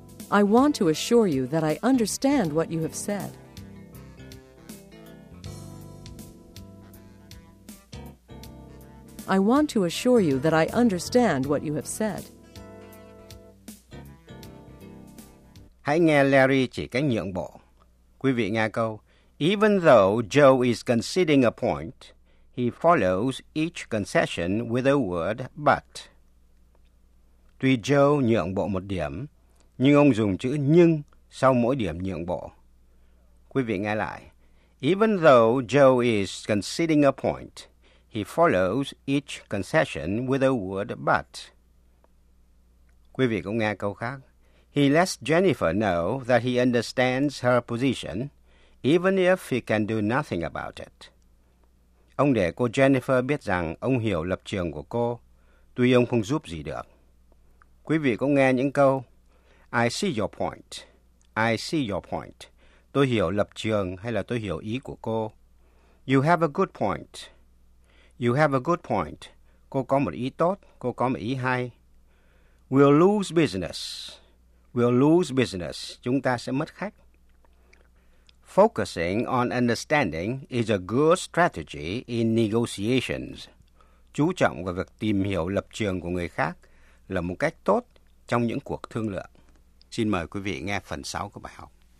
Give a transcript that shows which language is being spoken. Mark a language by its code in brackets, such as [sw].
[en] I want to assure you that I understand what you have said. I want to assure you that I understand what you have said. [vi] Hãy nghe Larry chỉ cách nhượng bộ. Quý vị nghe câu. [en] Even though Joe is conceding a point, he follows each concession with a word but. [vi] Tuy Joe nhượng bộ một điểm, nhưng ông dùng chữ nhưng sau mỗi điểm nhượng bộ. Quý vị nghe lại. [en] Even though Joe is conceding a point, he follows each concession with a word but. [vi] Quý vị cũng nghe câu khác. [en] He lets Jennifer know that he understands her position, even if he can do nothing about it. [vi] Ông để cô Jennifer biết rằng ông hiểu lập trường của cô, tuy ông không giúp gì được. Quý vị cũng nghe những câu. [en] I see your point. I see your point. [vi] Tôi hiểu lập trường hay là tôi hiểu ý của cô. [en] You have a good point. [vi] You have a good point. Cô có một ý tốt, cô có một ý hay. [en] We'll lose business. We'll lose business. [vi] Chúng ta sẽ mất khách. [en] Focusing on understanding is a good strategy in negotiations. [vi] Chú trọng vào việc tìm hiểu lập trường của người khác là một cách tốt trong những cuộc thương lượng. Xin mời quý vị nghe phần 6 của bài học.